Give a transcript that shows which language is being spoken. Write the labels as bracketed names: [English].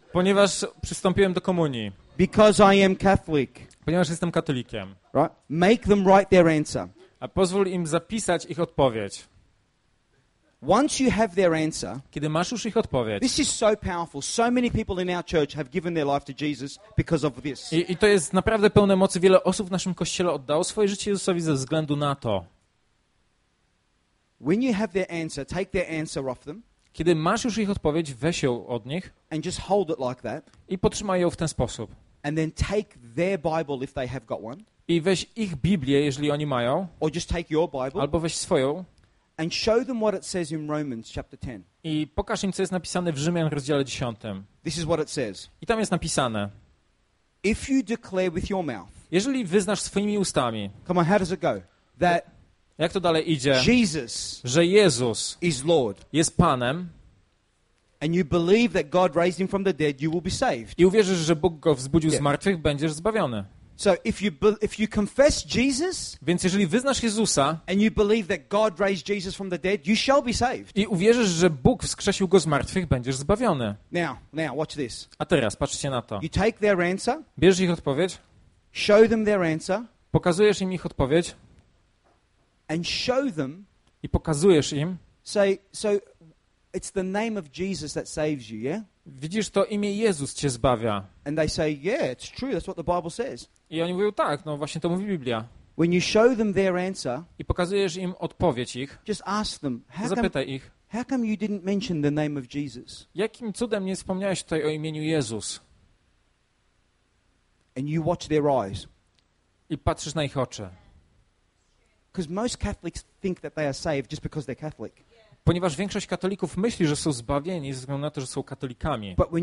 [Polish] Ponieważ przystąpiłem do komunii. [English] Because I am Catholic. [Polish] Ponieważ jestem katolikiem. [English] Right? Make them write their answer. [Polish] A pozwól im zapisać ich odpowiedź. [English] Once you have their answer, [Polish] kiedy masz już ich odpowiedź. [English] This is so powerful. So many people in our church have given their life to Jesus because of this. [Polish] I to jest naprawdę pełne mocy. Wiele osób w naszym kościele oddało swoje życie Jezusowi ze względu na to. [English] When you have their answer, take their answer off them. [Polish] Kiedy masz już ich odpowiedź, weź ją od nich. [English] And just hold it like that. [Polish] I potrzymaj ją w ten sposób. [English] And then take their Bible if they have got one. [Polish] I weź ich Biblię, jeżeli oni mają. [English] Or just take your Bible. [Polish] Albo weź swoją. [English] And show them what it says in Romans chapter 10. [Polish] I pokaż im, co jest napisane w Rzymian rozdziale 10. [English] This is what it says. [Polish] I tam jest napisane. [English] If you declare with your mouth. [Polish] Jeżeli wyznasz swoimi ustami. [English] Come on, how does it go? That [Polish] jak to dalej idzie? [English] Jesus, [Polish] że Jezus [English] is Lord. [Polish] Jest Panem. [English] And you believe that God raised him from the dead, you will be saved. [Polish] I uwierzysz, że Bóg go wzbudził z martwych, będziesz zbawiony. [English] So if you confess Jesus, [Polish] więc jeżeli wyznasz Jezusa, [English] and you believe that God raised Jesus from the dead, you shall be saved. [Polish] I uwierzysz, że Bóg wskrzesił go z martwych, będziesz zbawiony. [English] Now watch this. [Polish] A teraz patrzcie na to. [English] You take their answer. [Polish] Bierzesz ich odpowiedź. [English] Show them their answer. [Polish] Pokazujesz im ich odpowiedź. [English] And show them. [Polish] I pokazujesz im. [English] So it's the name of Jesus that saves you, yeah? [Polish] Widzisz, to imię Jezus cię zbawia. [English] And they say, yeah, it's true, that's what the Bible says. [Polish] I oni mówią, tak, no właśnie to mówi Biblia. [English] When you show them their answer, [Polish] i pokazujesz im odpowiedź ich, [English] just ask them, [Polish] zapytaj ich, [English] how come you didn't mention the name of Jesus? [Polish] Jakim cudem nie wspomniałeś tutaj o imieniu Jezus? [English] And you watch their eyes. [Polish] I patrzysz na ich oczy. [English] Because most Catholics think that they are saved just because they're Catholic. [Polish] Ponieważ większość katolików myśli, że są zbawieni ze względu na to, że są katolikami.